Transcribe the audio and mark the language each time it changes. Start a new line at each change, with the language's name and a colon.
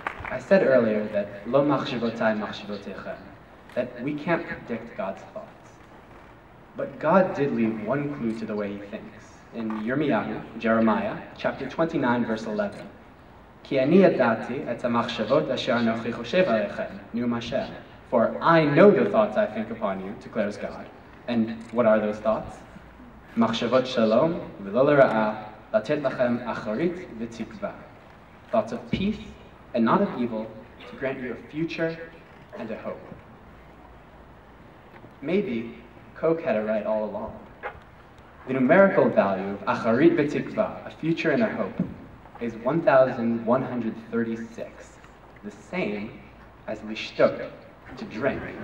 English: I said earlier that
Hebrew: לא מחשבותיי מחשבותיכם,
English: that we can't predict God's thoughts. But God did leave one clue to the way he thinks. In Yirmiyahu, Jeremiah, chapter 29, verse 11.
Hebrew: כי אני ידעתי את המחשבות אשר אנוכי חושב עליכם, נאום השם.
English: For I know the thoughts I think upon you, declares God. And what are those thoughts?
Hebrew: מחשבות שלום ולא לרעה, לתת לכם אחרית ותקווה.
English: Thoughts of peace and not of evil, to grant you a future and a hope. Maybe Koch had it right all along. The numerical value of acharit v'tikva, a future and a hope, is 1,136, the same as lishtok, to drink.